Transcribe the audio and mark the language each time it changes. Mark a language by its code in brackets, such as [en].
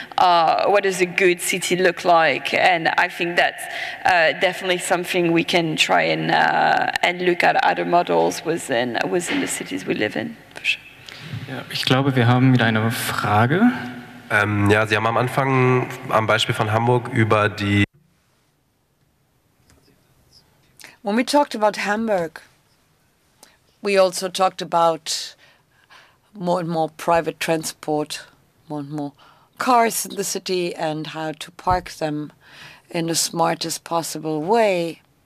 [en] What does a good city look like? And I think that's definitely something we can try and look at other models within the cities we live in. For sure. [de] Ja, ich glaube, wir haben wieder eine Frage. Ja, Sie haben am Anfang am Beispiel von Hamburg über die [en] When we talked about Hamburg, we also talked about more and more private transport, more and more cars in the city, and how to park them in the smartest possible way.